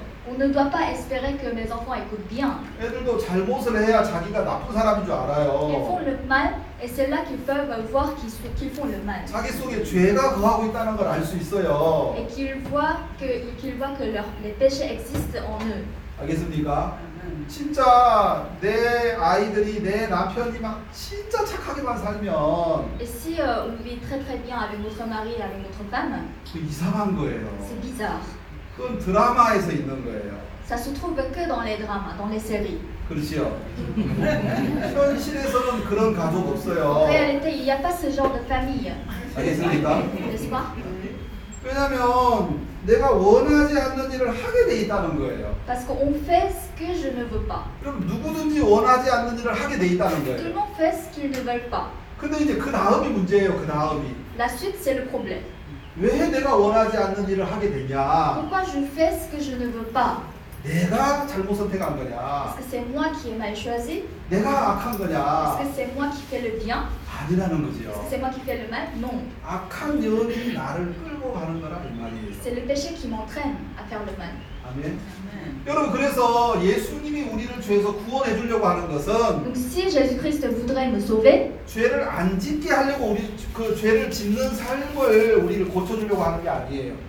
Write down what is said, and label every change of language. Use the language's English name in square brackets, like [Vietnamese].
[French] On ne doit pas espérer que mes enfants écoutent bien. Ils font le mal et c'est là qu'ils peuvent voir qu'ils font le mal. Et qu'ils voient que les péchés existent en eux. [Korean] 알겠습니까? 진짜 내 아이들이 내 남편이 막 진짜 착하게만 살면 [French] Et si on vit très très bien avec notre mari et avec notre femme? [Korean] 그 이상한 거예요. [French] C'est bizarre. [Korean] 그건 드라마에서 있는 거예요. [French] Ça se trouve que dans les dramas, dans les séries. [Korean] 그렇죠. 현실에서는 그런 가족 없어요. [French] En réalité, il n'y a pas ce genre de famille. [Korean] 알겠습니까? [French] N'est-ce pas? [Korean] 왜냐면 내가 원하지 않는 일을 하게 돼 있다는 거예요. [French] Parce qu'on fait ce que je ne veux pas. [Korean] 그럼 누구든지 원하지 않는 일을 하게 돼 있다는 거예요. [French] Tout le monde fait ce qu'ils ne veulent pas. [Korean] 근데 이제 그 다음이 문제예요. 그 다음이. [French] La suite c'est le problème. [Korean] 왜 내가 원하지 않는 일을 하게 되냐? [French] Pourquoi je fais ce que je ne veux pas? [Korean] 내가 잘못 선택한 거냐? [French] Est-ce que c'est moi qui ai mal choisi? [Korean] 내가 악한 거냐? [French] Est-ce que c'est moi qui fais le bien? [Korean] 아니라는 거죠. [French] Est-ce que c'est moi qui fais le mal? Non. [Korean] 악한 영이 나를 끌고 가는 거라 이 말이에요. [French] C'est le péché qui m'entraîne à faire le mal. [Korean] 아멘. 여러분 그래서 예수님이 우리를 죄에서 구원해 주려고 하는 것은 [French] Donc si Jésus-Christ voudrait me sauver [Korean] 죄를 안 짓게 하려고 우리 그 죄를 짓는 삶을 우리를 고쳐 주려고 하는 게 아니에요.